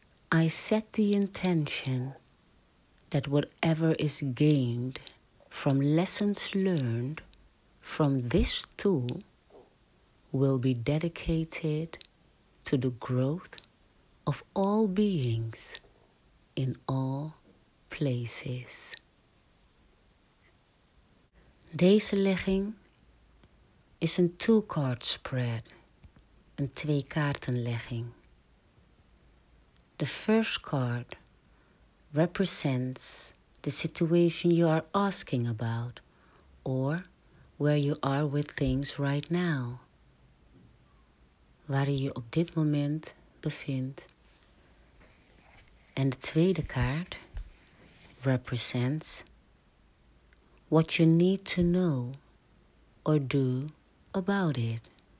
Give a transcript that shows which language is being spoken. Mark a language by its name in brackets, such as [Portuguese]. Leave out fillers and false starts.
[English] I set the intention that whatever is gained from lessons learned from this tool will be dedicated to the growth of all beings in all places. [Dutch] Deze legging is een two-card spread, een twee-kaartenlegging. [English] The first card represents the situation you are asking about or where you are with things right now. [Dutch] Waar je op dit moment bevindt. En de tweede kaart [English] represents what you need to know or do about it.